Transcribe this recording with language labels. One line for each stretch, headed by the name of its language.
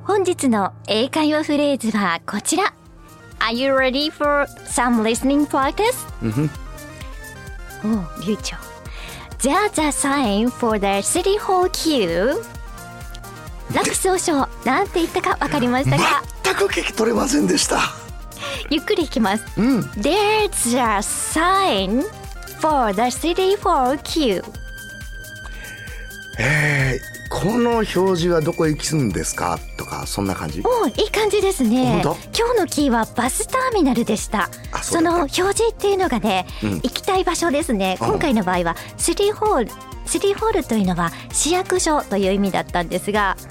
Japanese: 本日の英会話フレーズはこちら。
English: Are you ready for some listening practice?
Japanese: おう、流暢。
English: There's a sign for the city hall queue.
Japanese: 楽勝賞、なんて言ったか分かりましたか？全く聞き取れませんでした。ゆっくりいきます。うん、
English: There's a sign for the city hall queue.
Japanese: この表示はどこへ行くんですかとか、そんな感じ。おいい感じですね。本当、今日のキーはバスターミナルでした。その表示っていうのがね、うん、行きたい場所ですね。今回の場合はシティホール、シティホールというのは市役所という意味だったんですが、